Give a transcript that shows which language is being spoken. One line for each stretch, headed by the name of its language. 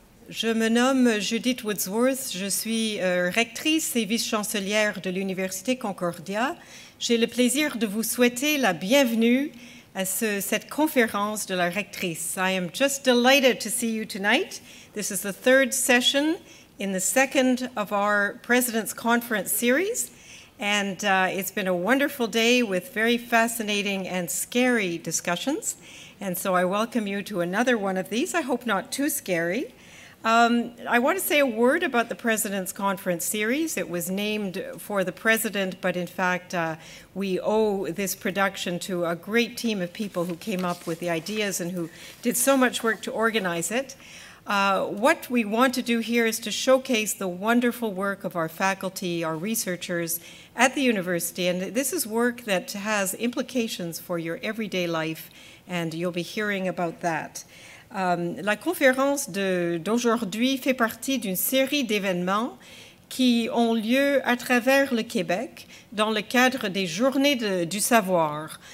French: Je me nomme Judith Woodsworth, je suis rectrice et vice-chancelière de l'Université Concordia. J'ai le plaisir de vous souhaiter la bienvenue à cette conférence de la rectrice.
English: I am just delighted to see you tonight. This is the third session in the second of our President's Conference series, and it's been a wonderful day with very fascinating and scary discussions. And so I welcome you to another one of these, I hope not too scary. I want to say a word about the President's Conference series. It was named for the President, but in fact, we owe this production to a great team of people who came up with the ideas and who did so much work to organize it. What we want to do here is to showcase the wonderful work of our faculty, our researchers at the university, and this is work that has implications for your everyday life, and you'll be hearing about that.
French: La conférence d'aujourd'hui fait partie d'une série d'événements qui ont lieu à travers le Québec dans le cadre des Journées du Savoir.